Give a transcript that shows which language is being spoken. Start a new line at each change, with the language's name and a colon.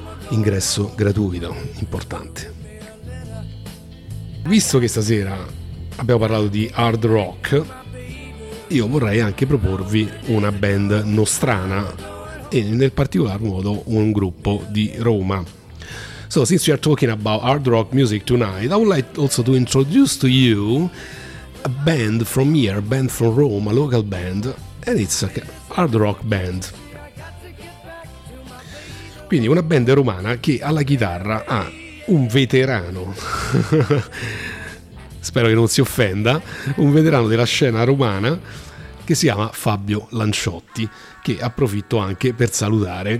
Italian: Ingresso gratuito, importante. Visto che stasera abbiamo parlato di hard rock, io vorrei anche proporvi una band nostrana e nel particolar modo un gruppo di Roma.
English: So, since we are talking about hard rock music tonight, I would like also to introduce to you a band from here, a band from Rome, a local band, and it's a hard rock band.
Italian: Quindi una band romana che alla chitarra ha un veterano. Spero che non si offenda, un veterano della scena romana che si chiama Fabio Lanciotti, che approfitto anche per salutare.